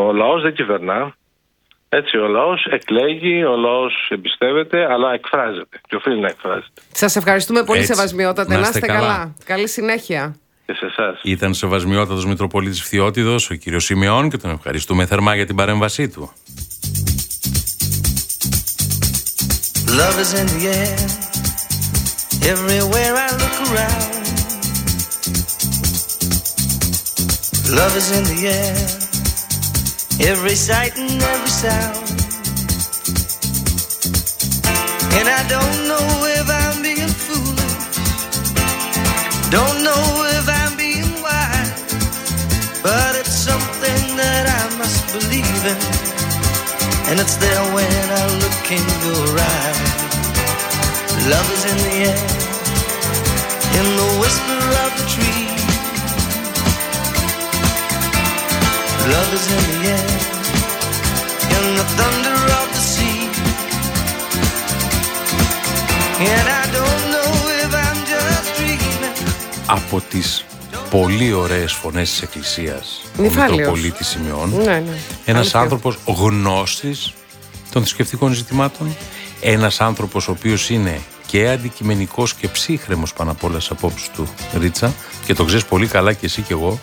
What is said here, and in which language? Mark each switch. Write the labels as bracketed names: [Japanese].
[Greek] Ο λαός δεν κυβερνά. Έτσι, ο λαός εκλέγει, ο λαός εμπιστεύεται, αλλά εκφράζεται και οφείλει να εκφράζεται. Σας ευχαριστούμε πολύ, έτσι. Σεβασμιότατε. Να είστε καλά. Καλή συνέχεια. Και σε εσάς. Ήταν σεβασμιότατος Μητροπολίτης Φθιώτιδος, ο κύριος Σιμεών, και τον ευχαριστούμε θερμά για την παρέμβασή του. [English] Love is in the air, everywhere I look around. Love is in the air, every sight and every sound. And I don't know if I'm being foolish, don't know if I'm being wise, but it's something that I must believe in, and it's there when I look in your eyes. Love is in the air, in the whisper of the tree. Love is in the air, in the thunder of the sea. And I don't know if I'm just dreaming. [Greek] Από τις πολύ ωραίες φωνές της Εκκλησίας, Νηφάλιος, ο Μητροπολίτης Σιμεών, ναι, ναι. Ένας άνθρωπος γνώστης των θρησκευτικών ζητημάτων, ένας άνθρωπος ο οποίος είναι και αντικειμενικός και ψύχρεμος πάνω από όλες τις απόψεις του, Ρίτσα, και το ξέρεις πολύ καλά και εσύ και εγώ.